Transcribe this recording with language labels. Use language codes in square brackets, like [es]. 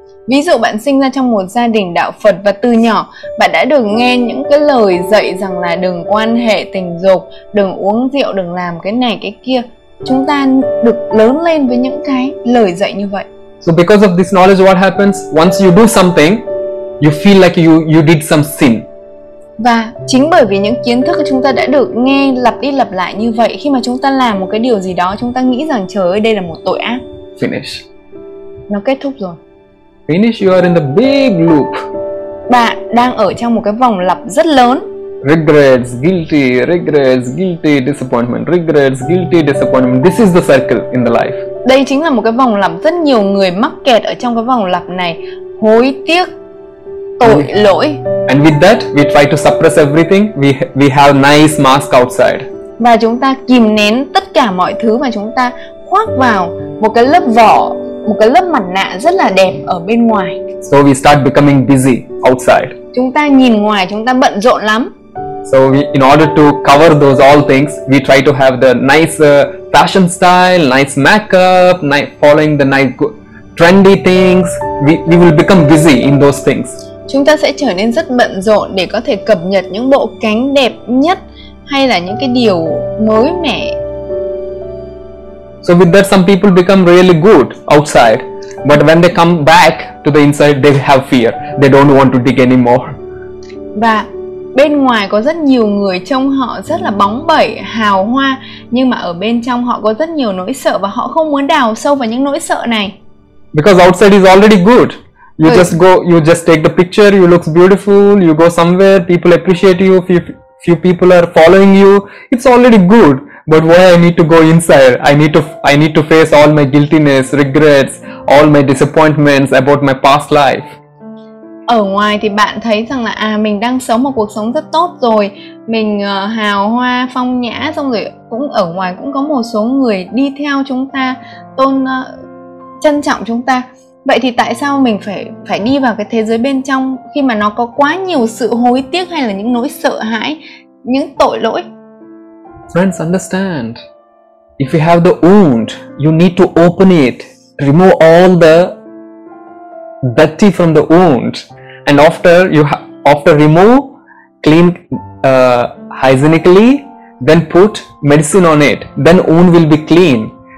[vi] Ví dụ bạn sinh ra trong một gia đình đạo Phật và từ nhỏ bạn đã được nghe những cái lời dạy rằng là đừng quan hệ tình dục, đừng uống rượu, đừng làm cái này cái kia. Chúng ta được lớn lên với những cái lời dạy như vậy. [en] So because of this knowledge, what happens? Once you do something, you feel like you did some sin. [vi] Và chính bởi vì những kiến thức chúng ta đã được nghe lặp đi lặp lại như vậy, khi mà chúng ta làm một cái điều gì đó, chúng ta nghĩ rằng trời ơi, đây là một tội ác. [en] Finish. [vi] Nó kết thúc rồi. [en] Finish, you are in the big loop. [vi] Bạn đang ở trong một cái vòng lặp rất lớn. [en] Regrets, guilty, regrets, guilty, disappointment, regrets, guilty, disappointment. This is the circle in the life. [vi] Đây chính là một cái vòng lặp, rất nhiều người mắc kẹt ở trong cái vòng lặp này. Hối tiếc, tội lỗi. [en] And with that, we try to suppress everything. We have nice mask outside. [vi] Và chúng ta kìm nén tất cả mọi thứ mà chúng ta khoác vào một cái lớp vỏ, một cái lớp mặt nạ rất là đẹp ở bên ngoài. [en] So we start becoming busy outside. [vi] Chúng ta nhìn ngoài, chúng ta bận rộn lắm. [en] So we, in order to cover those all things, we try to have the nice fashion style, nice makeup, nice following the nice trendy things. We will become busy in those things. [vi] Chúng ta sẽ trở nên rất bận rộn để có thể cập nhật những bộ cánh đẹp nhất hay là những cái điều mới mẻ. [en] So with that, some people become really good outside, but when they come back to the inside, they have fear. They don't want to dig anymore. [vi] Và bên ngoài có rất nhiều người trông họ rất là bóng bẩy, hào hoa, nhưng mà ở bên trong họ có rất nhiều nỗi sợ và họ không muốn đào sâu vào những nỗi sợ này. [en] Because outside is already good. You just go, you just take the picture, you look beautiful, you go somewhere, people appreciate you, few people are following you. It's already good. But why I need to go inside? I need to face all my guiltiness, regrets, all my disappointments about my past life. [vi] Ở ngoài thì bạn thấy rằng là à mình đang sống một cuộc sống rất tốt rồi, mình hào hoa, phong nhã, xong rồi cũng ở ngoài cũng có một số người đi theo chúng ta, trân trọng chúng ta. Vậy thì tại sao mình phải đi vào cái thế giới bên trong khi mà nó có quá nhiều sự hối tiếc hay là những nỗi sợ hãi, những tội lỗi? [en] Friends, understand. If you have the wound, you need to open it, remove all the dirty from the wound, and after you after remove, clean hygienically, then put medicine on it, then wound will be clean.